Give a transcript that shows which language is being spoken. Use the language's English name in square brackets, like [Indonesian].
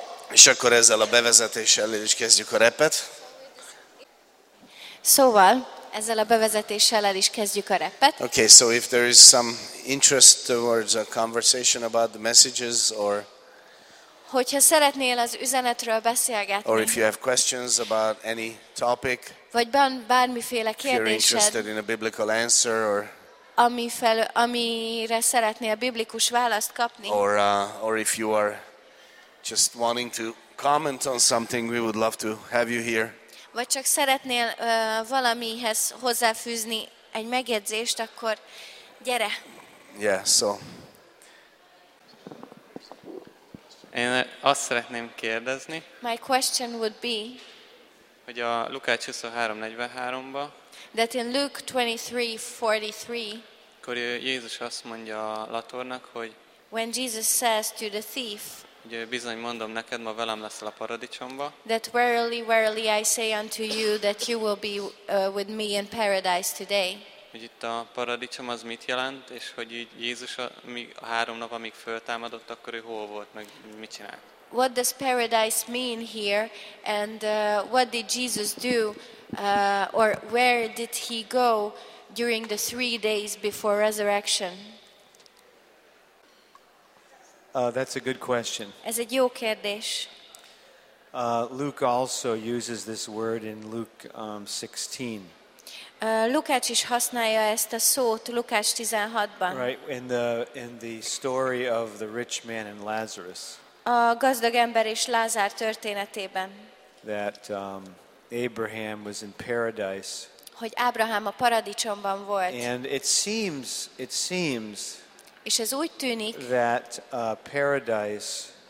[Hungarian] És akkor ezzel a bevezetéssel el is kezdjük a repet. Szóval, ezzel a bevezetéssel el is kezdjük a repet. [English] Okay, so if there is some interest towards a conversation about the messages or [Hungarian] hogyha szeretnél az üzenetről beszélgetni, [English] or if you have questions about any topic, [Hungarian] vagy bármiféle kérdésed, [English] if you're interested in a biblical answer or [Hungarian] amire szeretnél biblikus választ kapni, [English] or if you are just wanting to comment on something, we would love to have you here. [Hungarian] Vagy csak szeretnél valamihez hozzáfűzni egy megjegyzést, akkor gyere. [English] Yeah, so. [Hungarian] Én azt szeretném kérdezni. [English] My question would be. [Hungarian] Hogy a Lukács 23:43-ba. [English] That in Luke 23:43. [Hungarian] Akkor Jézus azt mondja a latornak, hogy. [English] When Jesus says to the thief. [Hungarian] Hogy bizony mondom neked, ma velem leszel a paradicsomba. [English] That verily, verily I say unto you that you will be with me in paradise today. [Hungarian] Hogy itt a paradicsom az mit jelent, és hogy Jézus a három nap, amíg föltámadott, akkor ő hol volt, meg mit csinált? [English] What does paradise mean here? And what did Jesus do? Or where did he go during the three days before resurrection? That's a good question. [Hungarian] Ez egy jó kérdés. [English] Luke also uses this word in Luke 16. [Hungarian] Lukács is használja ezt a szót Lukács 16-ban. [English] Right, in the story of the rich man and Lazarus. [Hungarian] A gazdag ember és Lázár történetében. [English] That Abraham was in paradise. [Hungarian] Hogy Ábrahám a paradicsomban volt. [English] And it seems [Hungarian] és ez úgy tűnik, [English] that paradise